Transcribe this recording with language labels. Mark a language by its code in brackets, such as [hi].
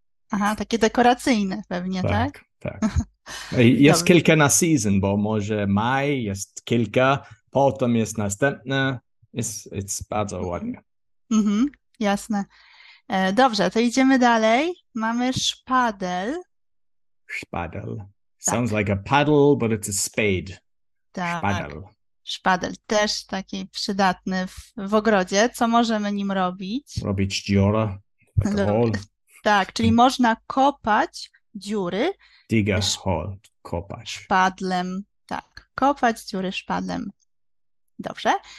[pl] Aha, takie dekoracyjne pewnie, tak? Tak. Jest kilka na season, bo może maj jest kilka, potem jest następne. [en] It's [pl] bardzo ładnie. Jasne. Dobrze, to idziemy dalej. Mamy szpadel. Szpadel. [en] Sounds like a paddle, but it's a spade. [pl] Tak. Szpadel. Szpadel też taki przydatny w ogrodzie. Co możemy nim robić? Robić dziura. [en] Like a hole. [pl] Tak, czyli można kopać dziury. [en] Dig a hole. [pl] Kopać. Szpadlem. Tak, kopać dziury szpadlem. Dobrze.